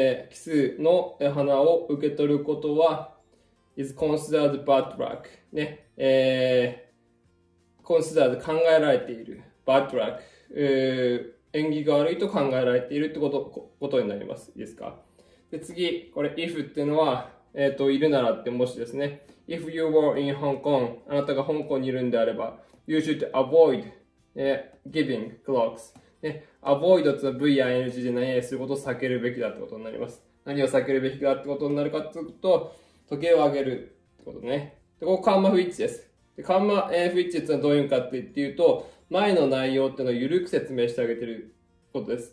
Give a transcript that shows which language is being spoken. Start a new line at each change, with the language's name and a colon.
Japanese: 奇数の花を受け取ることは、
English: is considered bad luck
Japanese: ね。 considered 考えられている。
English: bad luck。
Japanese: 縁起が悪いと考えられているってことになります。いいですか。で、次、これ、if っていうのは、いるならって、もしですね。
English: if you were in Hong Kong、
Japanese: あなたが香港にいるんであれば、
English: you should avoid、giving clocks、ね。
Japanese: avoid って ving で何々することを避けるべきだってことになります。何を避けるべきだってことになるかっていうと、時計をあげるってことね。で、ここ、カンマフィッチです。で、カンマフィッチってのはどういうのかっていうと、前の内容っていうのを緩く説明してあげてることです。